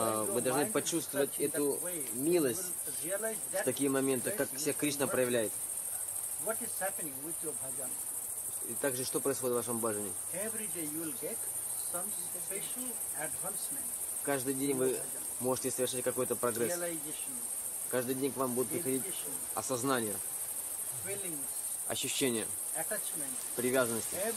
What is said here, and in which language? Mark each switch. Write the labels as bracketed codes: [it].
[ru] Вы должны почувствовать эту милость в такие моменты, как себя Кришна проявляет. [en] What is happening with your bhajan? [ru] И также, что происходит в вашем бхаджане? [en] Every day you will get some special advancement. [ru] каждый день вы можете совершать какой-то прогресс. Каждый день к вам будут приходить осознания, ощущения, привязанности.